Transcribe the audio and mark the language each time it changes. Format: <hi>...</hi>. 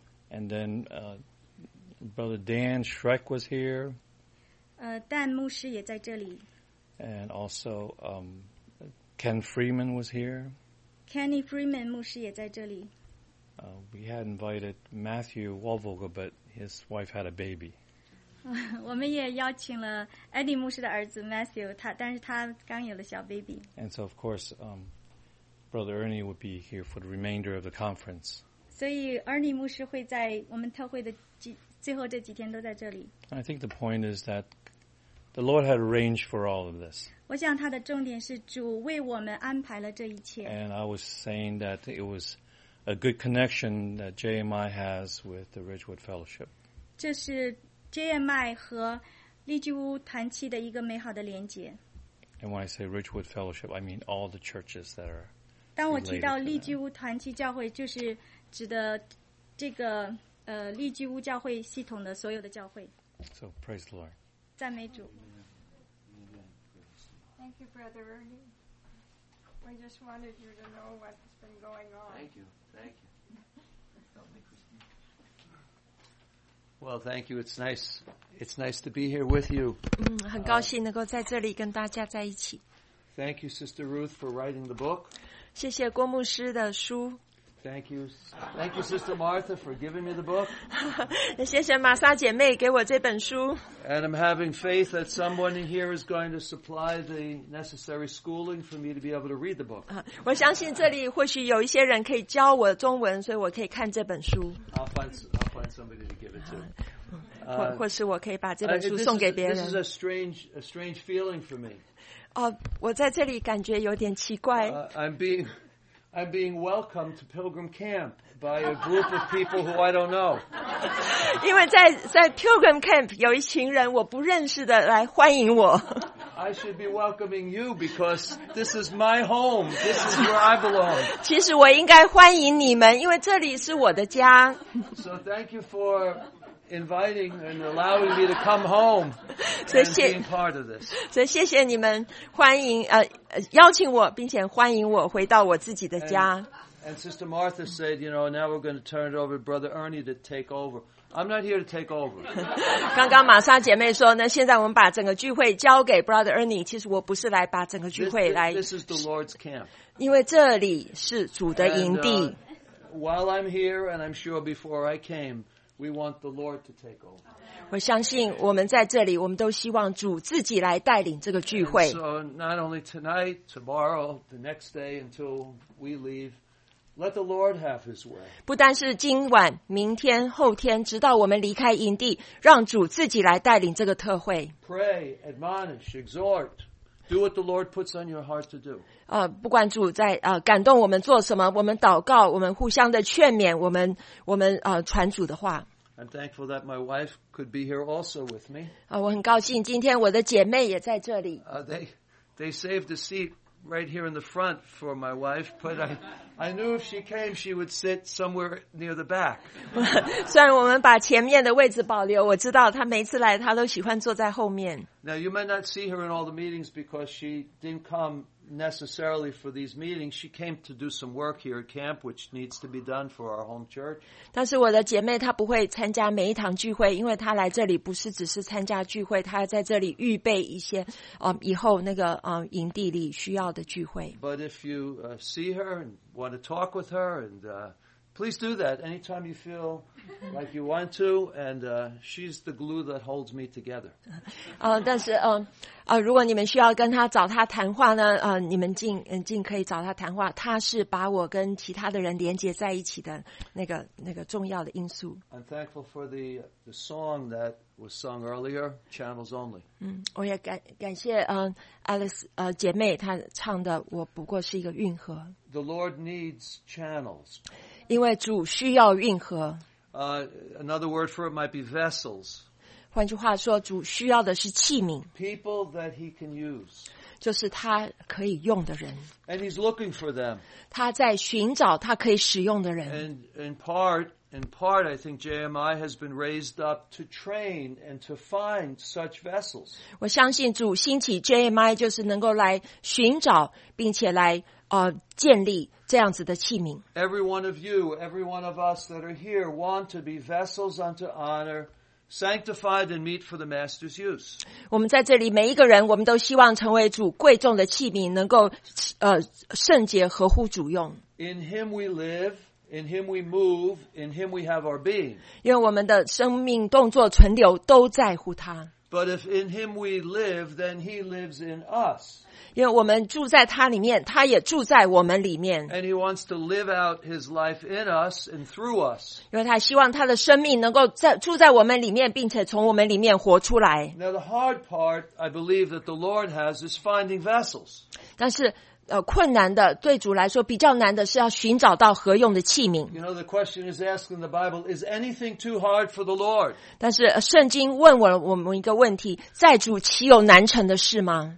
<en>And then Brother Dan Schreck was here.</en> <zh>Dan 牧师也在这里。</zh> <en>And also Ken Freeman was here.</en> <zh>Kenny Freeman 牧师也在这里。</zh> <en>We had invited Matthew Walvogel, but his wife had a baby.</en> <zh>我们也邀请了 Eddie 牧师的儿子 Matthew, 但是他刚有了小 baby.</zh> <en>And so, of course, Brother Ernie would be here for the remainder of the conference.</en> <zh>所以 Ernie 牧师会在我们特会的最后这几天都在这里。</zh> <en>I think the point is that the Lord had arranged for all of this.</en> <zh>我想他的重点是主为我们安排了这一切。</zh> <en>And I was saying that it was a good connection that JMI has with the Ridgewood Fellowship.</en> <zh>这是 JMI 和利基屋团契的一个美好的连接。</zh> <en>And when I say Ridgewood Fellowship, I mean all the churches that are.</en> <zh>当我提到利基屋团契教会，就是指的这个利基屋教会系统的所有的教会。</zh> <en>So praise the Lord.</en> <zh>赞美主。</zh> <en>Thank you, Brother Ernie. We just wanted you to know what's been going on. Thank you. Thank you. Help me, Christine. Well, thank you. It's nice. It's nice to be here with you.</en> <zh>很高兴能够在这里跟大家在一起。</zh> <en>Thank you, Sister Ruth, for writing the book.</en> <zh>谢谢郭牧师的书。</zh> <en>Thank you, Sister Martha, for giving me the book.</en> <zh>谢谢玛莎姐妹给我这本书。</zh> <en>And I'm having faith that someone in here is going to supply the necessary schooling for me to be able to read the book.</en> <zh>我相信这里或许有一些人可以教我中文，所以我可以看这本书。</zh> <en>I'll find somebody to give it to.</en> <zh>或是我可以把这本书送给别人。</zh> <en>This is a strange feeling for me.</en> <zh>我在这里感觉有点奇怪。</zh> <en>I'm being welcomed to Pilgrim Camp by a group of people who I don't know.</en> <zh>因为在 Pilgrim Camp 有一群人我不认识的来欢迎我。</zh> <en>I should be welcoming you because this is my home. This is where I belong.</en> <zh>其实我应该欢迎你们，因为这里是我的家。</zh> <en>So thank you for inviting and allowing me to come home and being part of this.</en> <zh>所以谢谢你们欢迎邀请我，并且欢迎我回到我自己的家。</zh> <en>And Sister Martha said, you know, now we're going to turn it over to Brother Ernie to take over. I'm not here to take over.</en> <zh>刚刚玛莎姐妹说呢，现在我们把整个聚会交给 Brother Ernie。其实我不是来把整个聚会来。</zh> <en>This is the Lord's camp.</en> <zh>因为这里是主的营地。</zh> <en>While I'm here, and I'm sure before I came, we want the Lord to take over.</en> <zh>我相信我们在这里，我们都希望主自己来带领这个聚会。</zh> <en>So not only tonight, tomorrow, the next day until we leave, let the Lord have His way.</en> <zh>不单是今晚、明天、后天，直到我们离开营地，让主自己来带领这个特会。</zh> <en>Pray, admonish, exhort. Do what the Lord puts on your heart to do.</en> <zh>不管主在感动我们做什么，我们祷告，我们互相的劝勉，我们传主的话。</zh> <en>I'm thankful that my wife could be here also with me.</en> <zh>我很高兴今天我的姐妹也在这里。</zh> <en>They saved a seat right here in the front for my wife, but I knew if she came, she would sit somewhere near the back.</en> <zh>虽然我们把前面的位置保留，我知道她每次来，她都喜欢坐在后面。</zh> <en>Now you might not see her in all the meetings because she didn't come necessarily for these meetings. She came to do some work here at camp, which needs to be done for our home church.</en> <zh>但是我的姐妹她不会参加每一堂聚会，因为她来这里不是只是参加聚会，她要在这里预备一些，以后那个营地里需要的聚会。</zh> <en>But if you see her and want to talk with her, and please do that anytime you feel like you want to, and she's the glue that holds me together.</en> <zh>但是如果你们需要跟他找他谈话呢，你们尽可以找他谈话。他是把我跟其他的人连接在一起的那个重要的因素。</zh> <en>I'm thankful for the song that was sung earlier, Channels Only.</en> <zh>我也感谢Alice 姐妹她唱的《我不过是一个运河》。</zh> <en>The Lord needs channels.</en> <zh>因为主需要运河。</zh> <en>Another word for it might be vessels.</en> <zh>换句话说，主需要的是器皿。</zh> <en>People that he can use.</en> <zh>就是他可以用的人。</zh> <en>And he's looking for them.</en> <zh>他在寻找他可以使用的人。</zh> <en>And in part, I think JMI has been raised up to train and to find such vessels.</en> <zh>我相信主兴起 JMI 就是能够来寻找并且来建立这样子的器皿。</zh> <en>Every one of you, every one of us that are here want to be vessels unto honor. Sanctified and meet for the master's use.</en> <zh>我们在这里每一个人，我们都希望成为主贵重的器皿，能够圣洁合乎主用。</zh> <en>In him we live, in him we move, in him we have our being.</en> <zh>因为我们的生命、动作、存留都在乎他。</zh> <en>But if in him we live, then he lives in us.</en> <zh>因为我们住在他里面，他也住在我们里面。</zh> <en>And he wants to live out his life in us and through us.</en> <zh>因为他希望他的生命能够住在我们里面，并且从我们里面活出来。</zh> <en>Now the hard part, I believe, that the Lord has is finding vessels.</en> <zh>但是困难的对主来说比较难的是要寻找到合用的器皿。</zh> <en>You know, the question is asked in the Bible, is anything too hard for the Lord?</en> <zh>但是圣经问我们一个问题，在主岂有难成的事吗？</zh>